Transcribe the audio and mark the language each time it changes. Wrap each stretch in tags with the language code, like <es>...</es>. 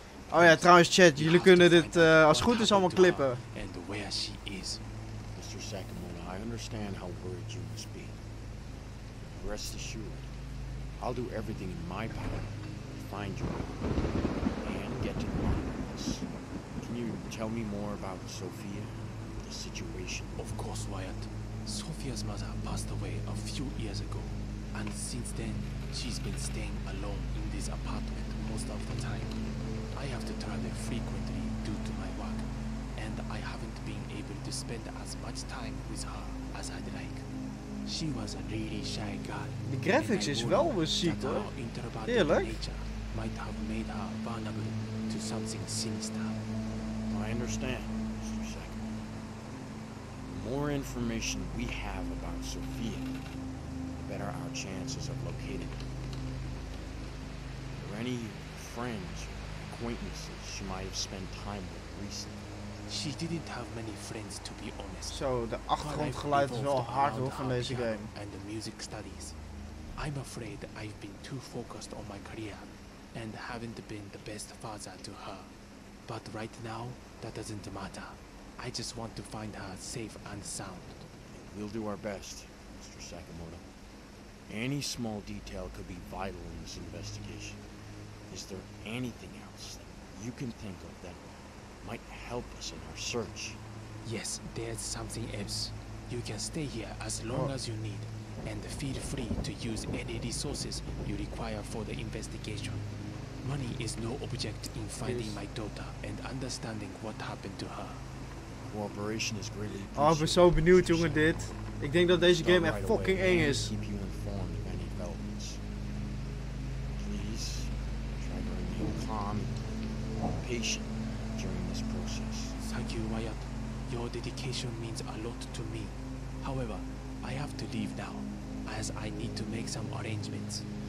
<nl>Oh ja, trouwens chat, jullie kunnen dit als goed is allemaal klippen.</nl> <en>And where she is. Mr. Sakamoto, I understand how worried you must be. Rest assured, I'll do everything in my power to find you and get to the bottom of this. Can you tell me more about Sophia, the situation? Of course, Wyatt. Sophia's mother passed away a few years ago, and since then, she's been staying alone in this apartment most of the time. I have to travel frequently due to my work, and I haven't been able to spend as much time with her as I'd like. She was a really shy girl. The graphics is well received,</en> <nl>hoor. Heerlijk.</nl> <en>Might have made her vulnerable to something sinister. I understand, Mr. Sackman. The more information we have about Sophia, the better our chances of locating her. Are there any friends or acquaintances she might have spent time with recently? She didn't have many friends, to be honest.</en> <nl>Zo, de achtergrondgeluid is wel hard hoor van deze game.</nl> <en>And the music studies. I'm afraid I've been too focused on my career and haven't been the best father to her. But right now, that doesn't matter. I just want to find her safe and sound. We'll do our best, Mr. Sakamoto. Any small detail could be vital in this investigation. Is there anything else that you can think of that might help us in our search? Yes, there's something else. You can stay here as long as you need, and feel free to use any resources you require for the investigation. Money is no object in finding my daughter and understanding what happened to her. Cooperation is greatly appreciated.</en> <nl>Oh, ik ben zo benieuwd, jongen, dit. Ik denk dat deze game echt fucking eng is.</nl> <en>Keep you informed of any developments. Please, try to remain calm and patient during this process. Thank you, Wyatt. Your dedication means a lot to me. However, I have to leave now, as I need to make some arrangements.</en>